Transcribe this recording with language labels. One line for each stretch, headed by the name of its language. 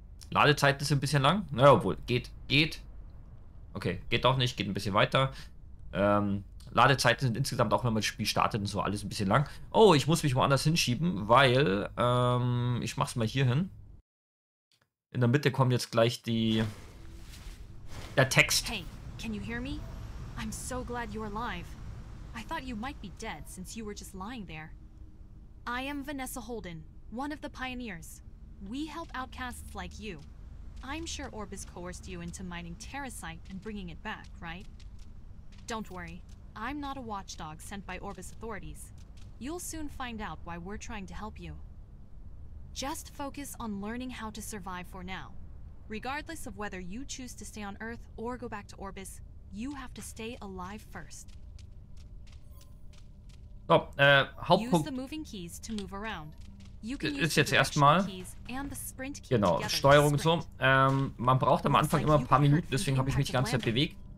German: Ladezeit ist ein bisschen lang. Naja, obwohl, geht. Okay, geht doch nicht, geht ein bisschen weiter. Ladezeiten sind insgesamt, auch wenn man das Spiel startet und so, alles ein bisschen lang. Oh, ich muss mich woanders hinschieben, weil, ich mach's mal hier hin. In der Mitte kommt jetzt gleich der Text.
English: Hey, can you hear me? I'm so glad you're alive. I thought you might be dead, since you were just lying there. I am Vanessa Holden, one of the pioneers. We help outcasts like you. I'm sure Orbis coerced you into mining Terracite and bringing it back, right? Don't worry, I'm not a watchdog sent by Orbis authorities. You'll soon find out why we're trying to help you. Just focus on learning how to survive for now. Regardless of whether you choose to stay on Earth or go back to Orbis, you have to stay alive first.
German: So, Hauptpunkt.
English: Use the moving keys to move around.
German: Ist jetzt erstmal, genau, Steuerung und so. Man braucht am Anfang immer ein paar Minuten, deswegen habe ich mich die ganze Zeit bewegt.